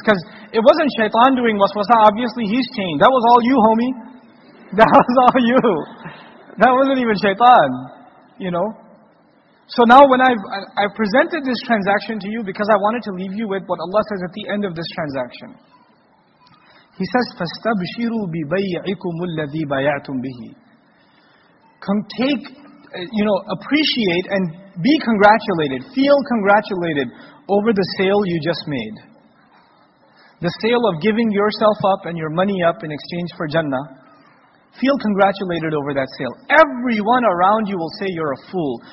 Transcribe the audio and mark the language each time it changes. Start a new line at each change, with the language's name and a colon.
English: Because it wasn't shaitan doing waswasa. Obviously, he's chained. That was all you, homie. That was all you. That wasn't even shaitan. You know? So now when I've presented this transaction to you, because I wanted to leave you with what Allah says at the end of this transaction. He says,
Arabic: فَاسْتَبْشِرُوا بِبَيْعِكُمُ الَّذِي بَيَعْتُمْ بِهِ.
English: Come take, you know, appreciate and be congratulated, feel congratulated over the sale you just made. The sale of giving yourself up and your money up in exchange for Jannah. Feel congratulated over that sale. Everyone around you will say you're a fool.